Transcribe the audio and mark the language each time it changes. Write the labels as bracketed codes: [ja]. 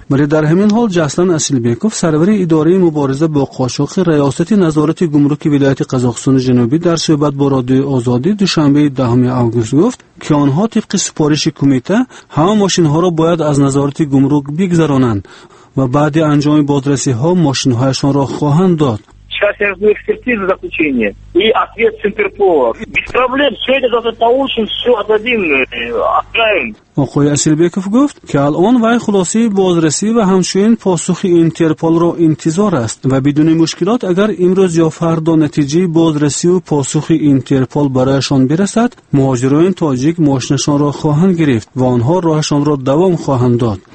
[fa] برای در همین حال جسلن اسلبیکوف سرور اداره مبارزه با قاچاق ریاست نظارت گمرک ولایت قزاقستان جنوبی در صحبت با رادیو آزادی دوشنبه 10 آگوست گفت که آنها طبق سپارش کمیته همه ماشین ها را باید از نظارت گمرک بگذرانند و بعد انجام بازرسی ها ماشین هایشان را خواهند داد. [ru] Сейчас я жду экспертизы заключения и ответ с Интерпола. Без проблем, все это завтра получим, все отдадим, отправим. [fa] آقای اسلبیکوف گفت که الان وای خلاصه بازرسی و همچنین پاسخ اینترپول را انتظار است و بدون مشکلات اگر امروز یا فردا نتیجه بازرسی و پاسخ اینترپول برایشان برسد، مهاجران تاجیک ماشینشان را خواهند گرفت و آنها راهشان را دوام خواهند داد.